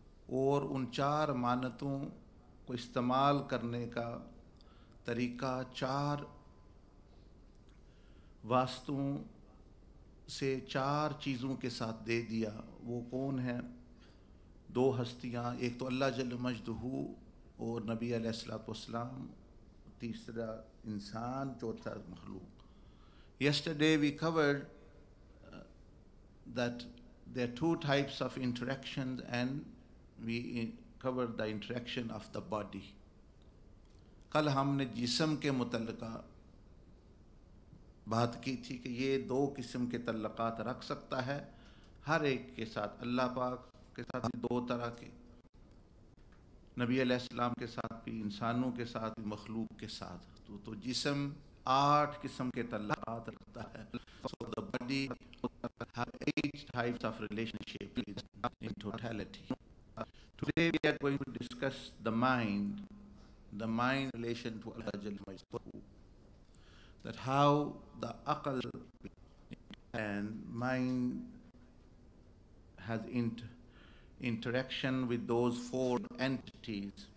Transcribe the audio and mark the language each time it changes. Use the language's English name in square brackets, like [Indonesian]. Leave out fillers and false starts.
[Urdu] اور ان چار امانتوں کو استعمال کرنے کا طریقہ چار واسطوں سے چار چیزوں کے ساتھ دے دیا. وہ کون ہیں؟ دو ہستیاں، ایک تو اللہ جل مجدہ اور نبی علیہ الصلوۃ والسلام، تیسرا انسان، چوتھا مخلوق. [English] Yesterday we covered that there are two types of interactions and we cover the interaction of the body. [Urdu] کل ہم نے جسم کے متعلقہ بات کی تھی کہ یہ دو قسم کے تعلقات رکھ سکتا ہے ہر ایک کے ساتھ. اللہ پاک کے ساتھ دو طرح کے، نبی علیہ السلام کے ساتھ بھی، انسانوں کے ساتھ بھی، مخلوق کے ساتھ. تو جسم آٹھ قسم کے تعلقات رکھتا ہے. [English] So the body have eight types of relationship in totality. Today we are going to discuss the mind relation to Allah Jalla Majduhu. that how the aqal and mind has interaction with those four entities.